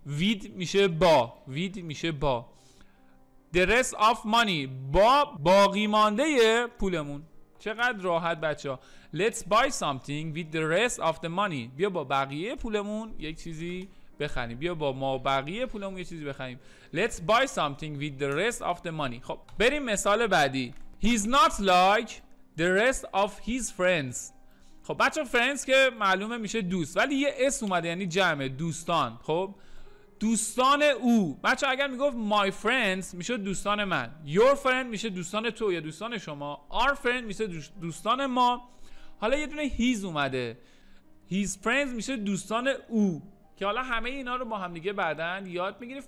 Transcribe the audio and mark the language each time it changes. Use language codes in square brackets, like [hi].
[fa] وید میشه با، وید میشه با. [en] the rest of money، [fa] با باقی مانده پولمون. چقدر راحت بچه ها. [en] let's buy something with the rest of the money، [fa] بیا با بقیه پولمون یک چیزی بخریم. بیا با ما بقیه پولمون یک چیزی بخریم. [en] let's buy something with the rest of the money. [fa] خب بریم مثال بعدی. [en] he's not like the rest of his friends. [fa] خب بچه ها فرنس که معلومه میشه دوست، ولی یه اس اومده یعنی جمع دوستان. خب دوستان او، بچه ها اگر میگفت [en] my friends [fa] میشه دوستان من، [en] your friend [fa] میشه دوستان تو یا دوستان شما، [en] our friend [fa] میشه دوستان ما. حالا یه دونه his اومده، his friends میشه دوستان او، که حالا همه اینا رو با هم دیگه بعدن یاد میگیری.